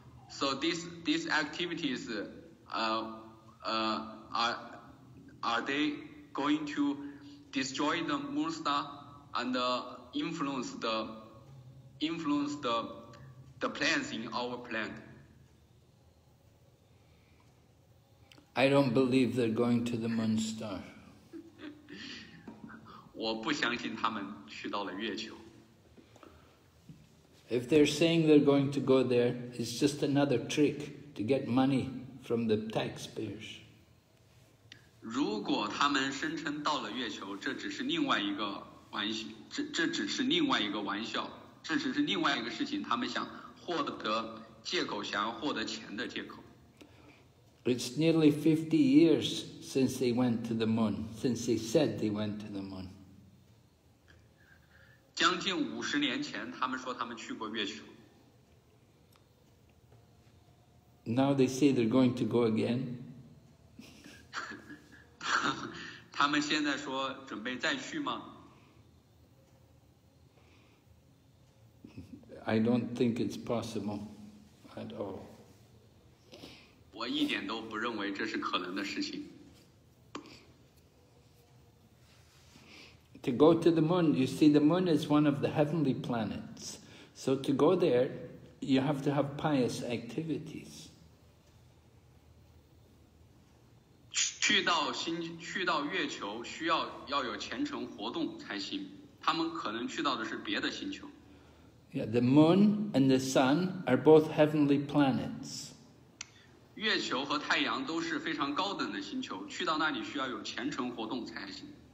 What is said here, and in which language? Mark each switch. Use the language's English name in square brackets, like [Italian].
[English] So these activities, are they going to destroy the moon star and influence the plants in our plant? I don't believe they're going to the moon star. [Chinese] 我不相信他们去到了月球。 [English] If they're saying they're going to go there, it's just another trick to get money from the taxpayers. [Chinese] 如果他们声称到了月球，这只是另外一个玩笑，这只是另外一个玩笑，这只是另外一个事情，他们想获得借口，想要获得钱的借口。 [English] It's nearly 50 years since they went to the moon, since they said they went to the moon. [Chinese] 将近五十年前，他们说他们去过月球。 [English] Now they say they're going to go again. [Chinese] 他们现在说准备再去吗 [English] ？I don't think it's possible at all. [Chinese] 我一点都不认为这是可能的事情。 [English] To go to the moon, you see, the moon is one of the heavenly planets. So to go there, you have to have pious activities. [Chinese] 去到月球需要要有虔诚活动才行。他们可能去到的是别的星球。 [English] Yeah, the moon and the sun are both heavenly planets. [Chinese] 月球和太阳都是非常高等的星球，去到那里需要有虔诚活动才行。